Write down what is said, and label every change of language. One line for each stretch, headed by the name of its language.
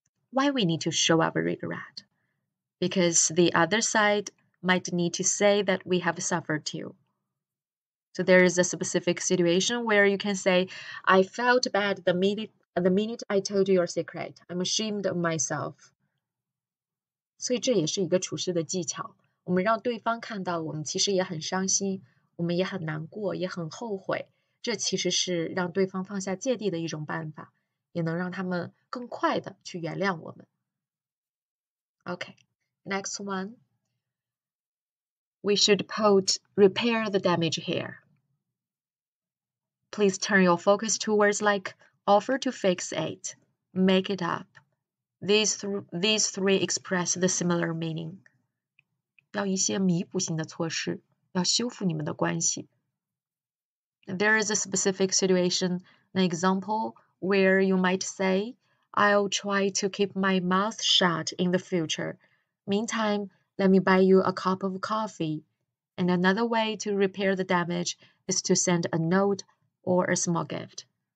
English: Why we need to show our regret? Because the other side might need to say that we have suffered too. So there is a specific situation where you can say, I felt bad the minute I told your secret. I'm ashamed of myself.
Chinese: 所以这也是一个处事的技巧。我们让对方看到我们其实也很伤心，我们也很难过，也很后悔。这其实是让对方放下芥蒂的一种办法，也能让他们更快的去原谅我们。
English: Okay, next one. We should put repair the damage here. Please turn your focus to words like offer to fix it, make it up. These three express the similar meaning.
Chinese: 要一些弥补性的措施，要修复你们的关系。
English: There is a specific situation, an example, where you might say, I'll try to keep my mouth shut in the future. Meantime, let me buy you a cup of coffee. And another way to repair the damage is to send a note or a small gift.